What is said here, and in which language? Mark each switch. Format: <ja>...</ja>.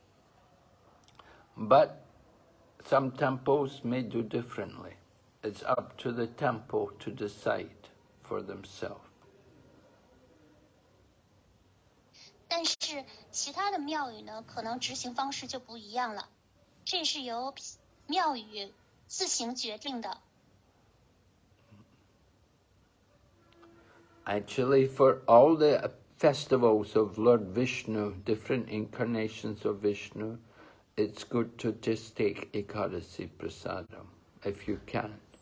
<zh>他们是一直要戒食到傍晚，而且是，他们打破戒食的这个餐食呢，是也不包括五谷的。But</zh> <en>some temples may do differently. It's up to the temple to decide for themselves.</en> <zh>但是其他的庙宇呢，可能执行方式就不一样了，这是由。</zh> <en>Actually, for all the festivals of Lord Vishnu, different incarnations of Vishnu, it's good to just take Ekadasi Prasadam, if you can.</en>